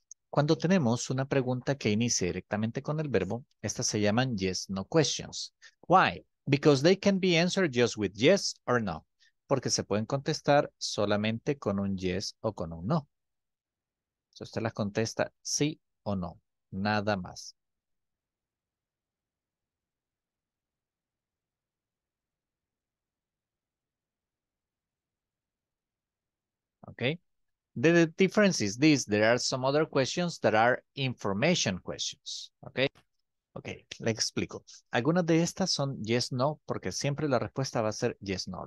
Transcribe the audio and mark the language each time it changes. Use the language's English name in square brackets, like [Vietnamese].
[Spanish] Cuando tenemos una pregunta que inicie directamente con el verbo, estas se llaman [English] yes, no questions. Why? Because they can be answered just with yes or no. [Spanish] Porque se pueden contestar solamente con un yes o con un no. Si usted las contesta sí o no, nada más. [English] Okay. The difference is this. There are some other questions that are information questions. [Spanish] Okay. Okay. Le explico. Algunas de estas son [English] yes, no, [Spanish] porque siempre la respuesta va a ser yes, no.